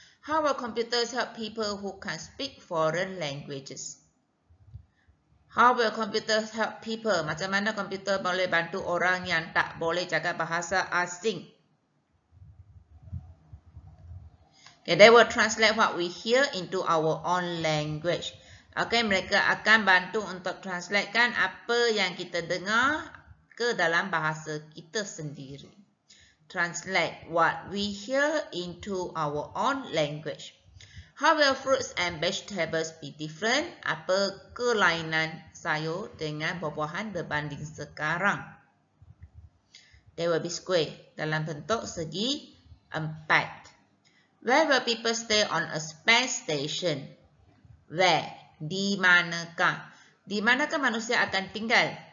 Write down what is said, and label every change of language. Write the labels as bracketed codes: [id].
[en] How will computers help people who can speak foreign languages? How will computers help people? [ms] Macam mana komputer boleh bantu orang yang tak boleh cakap bahasa asing? [en] Okay, they will translate what we hear into our own language. [ms] Okay, mereka akan bantu untuk translatekan apa yang kita dengar ke dalam bahasa kita sendiri. [en] Translate what we hear into our own language. How will fruits and vegetables be different? [ms] Apa kelainan sayur dengan buah-buahan berbanding sekarang? [en] They will be square [ms] dalam bentuk segi empat. [en] Where will people stay on a space station? Where? [ms] Di manakah? Di manakah manusia akan tinggal?